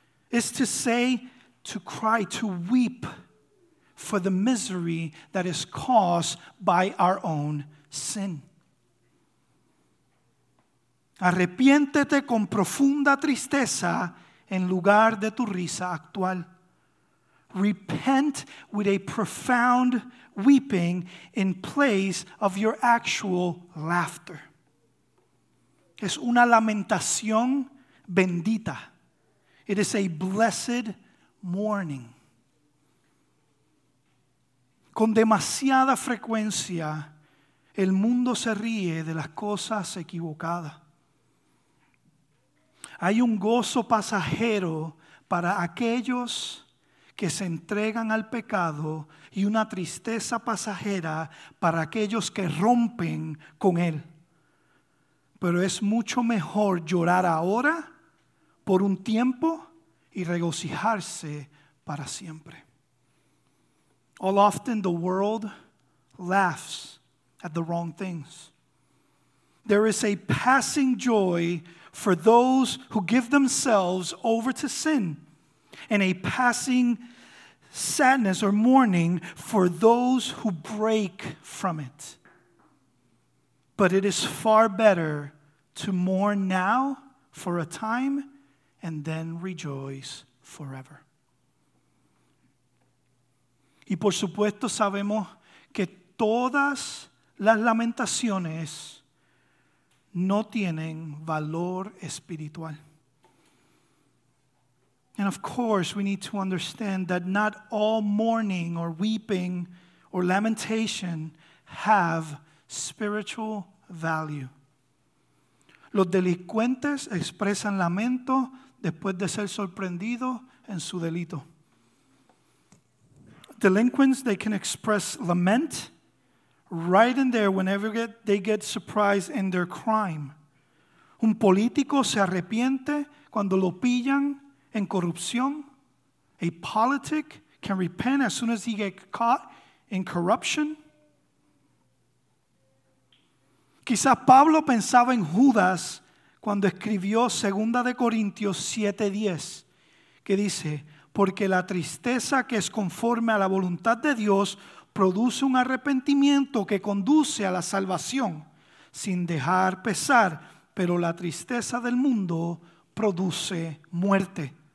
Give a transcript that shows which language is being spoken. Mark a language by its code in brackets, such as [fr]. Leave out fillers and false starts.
[en] Is to say, to cry, to weep for the misery that is caused by our own sin. [es] Arrepiéntete con profunda tristeza en lugar de tu risa actual. [en] Repent with a profound weeping in place of your actual laughter. [es] Es una lamentación bendita. [en] It is a blessed mourning. [es] Con demasiada frecuencia, el mundo se ríe de las cosas equivocadas. Hay un gozo pasajero para aquellos que se entregan al pecado y una tristeza pasajera para aquellos que rompen con él. Pero es mucho mejor llorar ahora por un tiempo y regocijarse para siempre. [en] All often the world laughs at the wrong things. There is a passing joy for those who give themselves over to sin, and a passing sadness or mourning for those who break from it. But it is far better to mourn now for a time and then rejoice forever. [es] Y por supuesto sabemos que todas las lamentaciones no tienen valor espiritual. [en] And of course, we need to understand that not all mourning or weeping or lamentation have spiritual value. [es] Los delincuentes expresan lamento después de ser sorprendido en su delito. [en] Delinquents, they can express lament right in there whenever they get surprised in their crime. [es] Un político se arrepiente cuando lo pillan en corrupción. [en] A politic can repent as soon as he gets caught in corruption. [es] Quizás Pablo pensaba en Judas cuando escribió 2 Corintios 7:10, que dice, porque la tristeza que es conforme a la voluntad de Dios produce un arrepentimiento que conduce a la salvación, sin dejar pesar, pero la tristeza del mundo produce muerte.